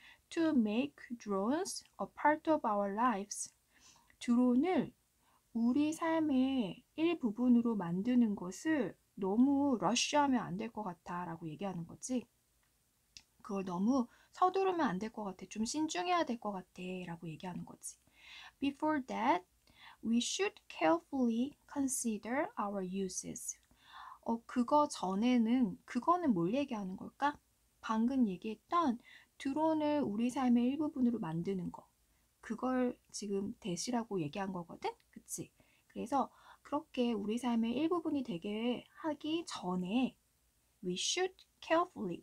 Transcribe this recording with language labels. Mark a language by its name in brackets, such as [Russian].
[English] To make drones a part of our lives. [Korean] 드론을 우리 삶의 일부분으로 만드는 것을 너무 러쉬하면 안될것 같아라고 얘기하는 거지. 그걸 너무 서두르면 안될것 같아. 좀 신중해야 될것 같아라고 얘기하는 거지. [English] Before that, we should carefully consider our uses. [Korean] 그거 전에는 그거는 뭘 얘기하는 걸까? 방금 얘기했던 드론을 우리 삶의 일부분으로 만드는 거. 그걸 지금 대시라고 얘기한 거거든? 그치? 그래서 그렇게 우리 삶의 일부분이 되게 하기 전에 [English] we should carefully.